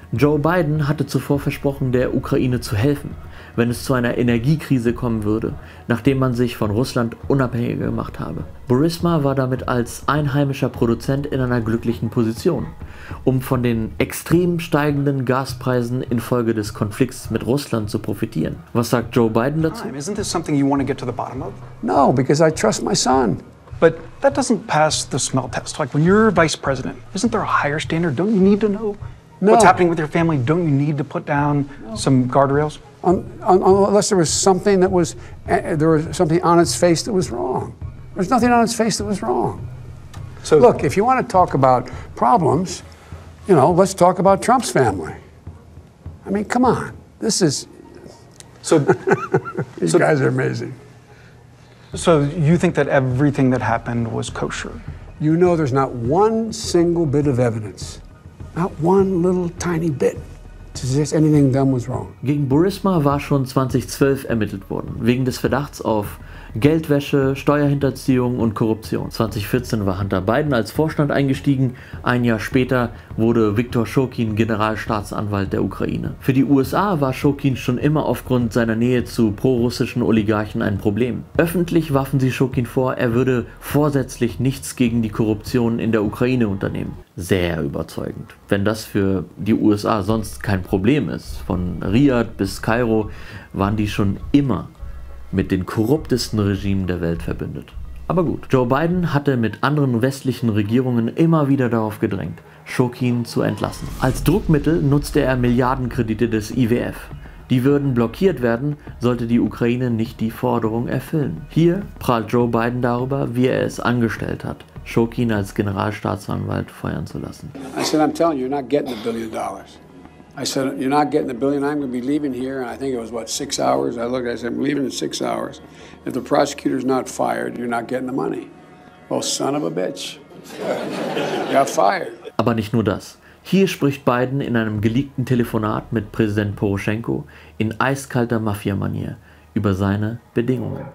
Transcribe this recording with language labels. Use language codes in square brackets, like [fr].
[de] Joe Biden hatte zuvor versprochen, der Ukraine zu helfen, wenn es zu einer Energiekrise kommen würde, nachdem man sich von Russland unabhängig gemacht habe. Burisma war damit als einheimischer Produzent in einer glücklichen Position, um von den extrem steigenden Gaspreisen infolge des Konflikts mit Russland zu profitieren. Was sagt Joe Biden dazu? [en] Isn't this something you want to get to the bottom of? No, because I trust my son. But that doesn't pass the smell test. Like when you're vice president, isn't there a higher standard? Don't you need to know what's happening with your family? Don't you need to put down some guardrails? Unless there was something that was, there was something on its face that was wrong. There's nothing on its face that was wrong. So look, if you want to talk about problems, you know, let's talk about Trump's family. I mean, come on, this is. So guys are amazing. So you think that everything that happened was kosher? You know, there's not one single bit of evidence, not one little tiny bit. [de] Gegen Burisma war schon 2012 ermittelt worden, wegen des Verdachts auf Geldwäsche, Steuerhinterziehung und Korruption. 2014 war Hunter Biden als Vorstand eingestiegen, ein Jahr später wurde Viktor Shokin Generalstaatsanwalt der Ukraine. Für die USA war Shokin schon immer aufgrund seiner Nähe zu prorussischen Oligarchen ein Problem. Öffentlich warfen sie Shokin vor, er würde vorsätzlich nichts gegen die Korruption in der Ukraine unternehmen. Sehr überzeugend. Wenn das für die USA sonst kein Problem ist, von Riad bis Kairo, waren die schon immer mit den korruptesten Regimen der Welt verbündet. Aber gut, Joe Biden hatte mit anderen westlichen Regierungen immer wieder darauf gedrängt, Shokin zu entlassen. Als Druckmittel nutzte er Milliardenkredite des IWF. Die würden blockiert werden, sollte die Ukraine nicht die Forderung erfüllen. Hier prahlt Joe Biden darüber, wie er es angestellt hat, Shokin als Generalstaatsanwalt feuern zu lassen. [en] I said, I'm telling you, you're not getting the billion dollars. I said, you're not getting the billion, I'm going to be leaving here, and I think it was, what, 6 hours? I looked, I said, I'm leaving in 6 hours. If the prosecutor's not fired, you're not getting the money. Well, son of a bitch. Got fired. [de] Aber nicht nur das. Hier spricht Biden in einem geleakten Telefonat mit Präsident Poroschenko in eiskalter Mafia-Manier über seine Bedingungen.